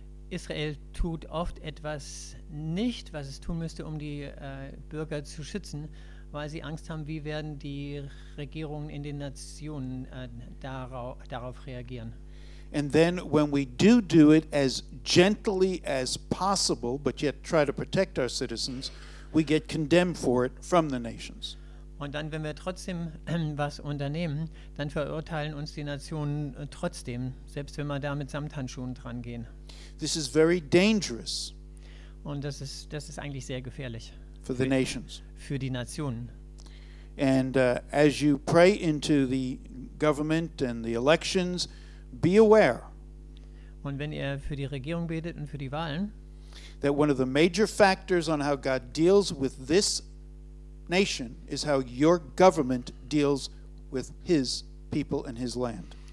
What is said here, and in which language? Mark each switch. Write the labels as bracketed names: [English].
[German] Israel tut oft etwas nicht, was es tun müsste, um die Bürger zu schützen, weil sie Angst haben, wie werden die Regierungen in den Nationen darauf reagieren. [English] And then when we do it as gently as possible, but yet try to protect our citizens, we get condemned for it from the nations. [German] Und dann, wenn wir trotzdem was unternehmen, dann verurteilen uns die Nationen trotzdem, selbst wenn wir da mit Samthandschuhen dran gehen. [English] This is very dangerous. [German] Und das ist eigentlich sehr gefährlich. [English] For the nations. [German] Für die Nationen. [English] And as you pray into the government and the elections, be aware. [German] Und wenn ihr für die Regierung betet und für die Wahlen, [English] that one of the major factors on how God deals with this nation is how your government deals with his people and his land.